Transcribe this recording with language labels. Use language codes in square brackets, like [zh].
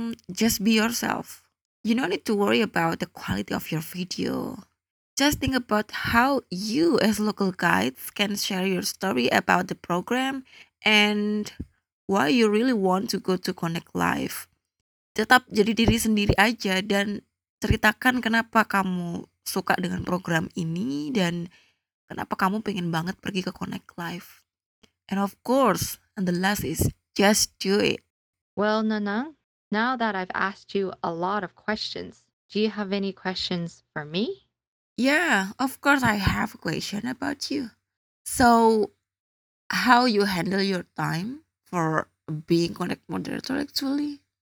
[en] Just be yourself. You don't need to worry about the quality of your video. Just think about how you as local guides can share your story about the program and why you really want to go to Connect Live. [id] Tetap jadi diri sendiri aja dan ceritakan kenapa kamu suka dengan program ini dan kenapa kamu pengen banget pergi ke Connect Live. [en] And of course, and the last is just do it. Well, Nanang, now that I've asked you a lot of questions, do you have any questions for me? Yeah, of course I have a question about you. So, how you handle your time for being connect moderator actually?